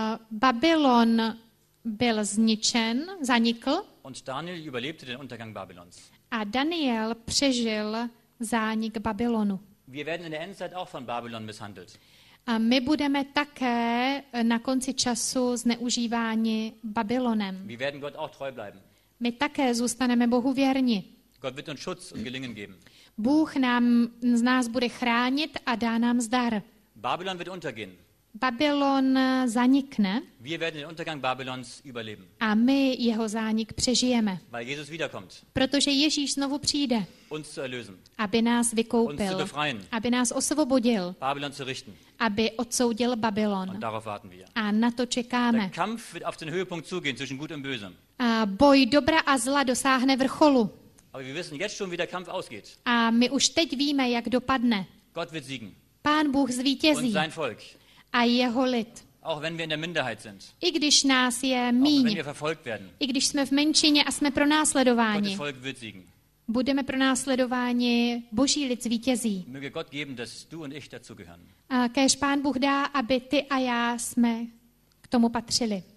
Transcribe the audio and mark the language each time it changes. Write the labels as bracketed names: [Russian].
[Czech] Babylon byl zničen, zanikl. [German] Und Daniel überlebte den Untergang Babylons. [Czech] A Daniel přežil zánik Babylonu. [German] Wir werden in der Endzeit auch von Babylon misshandelt. [Czech] A my budeme také na konci času zneužíváni Babylonem. [German] Wir werden Gott auch treu bleiben. [Czech] My také zůstaneme Bohu věrni. [German] Gott wird uns Schutz und Gelingen geben. [Czech] Bůh nám z nás bude chránit a dá nám zdar. [German] Babylon wird untergehen. [Czech] Babylon zanikne. [German] Wir werden den Untergang Babylons überleben. [Czech] A my jeho zánik přežijeme. [German] Weil Jesus wiederkommt. [Czech] Protože Ježíš znovu přijde. [German] Uns zu erlösen. [Czech] Aby nás vykoupil. [German] Uns zu befreien. [Czech] Aby nás osvobodil. [German] Babylon zu richten. [Czech] Aby odsoudil Babylon. [German] Und darauf warten wir. [Czech] A na to čekáme. [German] Der Kampf wird auf den Höhepunkt zugehen zwischen gut und böse. [Czech] A boj dobra a zla dosáhne vrcholu. [German] Aber wir wissen jetzt schon, wie der Kampf ausgeht. [Czech] A my už teď víme, jak dopadne. [German] Gott wird siegen. [Czech] Pán Bůh zvítězí. [German] Und sein Volk. [Czech] A jeho lid. [German] Auch wenn wir in der Minderheit sind. [Czech] I když nás je míň. [German] Auch wenn wir verfolgt werden. [Czech] I když jsme v menšině a jsme pronásledováni. [German] Gottes Volk wird siegen. [Czech] Budeme pronásledováni, Boží lid zvítězí. [German] Möge Gott geben, dass du und ich dazu gehören. [Czech] A kéž Pán Bůh dá, aby ty a já jsme k tomu patřili.